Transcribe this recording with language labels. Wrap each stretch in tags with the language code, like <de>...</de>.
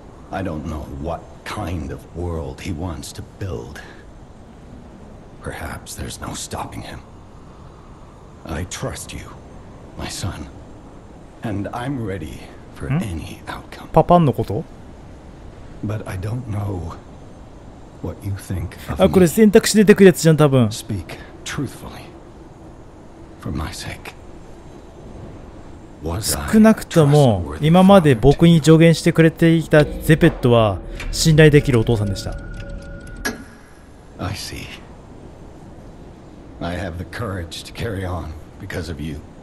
<en>I don't know what.kind of world he wants to build. perhaps there's no stopping him. I trust you, my son. And I'm ready for any outcome.</en> <ja>パパンのこと?</ja> <en>But I don't know what you think of me.</en> <ja>あ、これ選択肢出てくるやつじゃん、多分。</ja> <en>Speak truthfully. For my sake.</en> <ja>少なくとも今まで僕に助言してくれていたゼペットは信頼できるお父さんでした。</ja> <en>I see. I have the courage to carry on because of you.</en>